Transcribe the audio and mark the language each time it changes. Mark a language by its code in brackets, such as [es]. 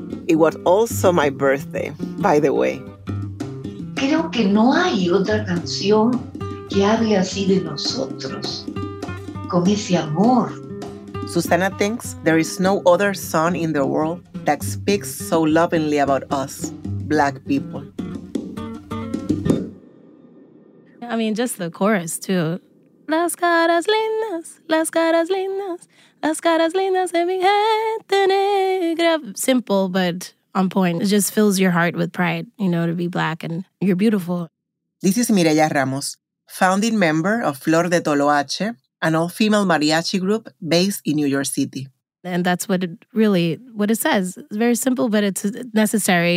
[en] It was also my birthday, by the way. [es] Creo que no hay otra canción que hable así de nosotros. Con ese amor. [en] Susana thinks there is no other song in the world that speaks so lovingly about us, Black people. I mean, just the chorus, too. [es] Las caras lindas, las caras lindas, las caras lindas de mi gente negra. [en] Simple, but on point. It just fills your heart with pride, you know, to be Black and you're beautiful. This is Mireya Ramos, founding member of Flor de Toloache, an all-female mariachi group based in New York City. And that's what it says. It's very simple, but it's necessary.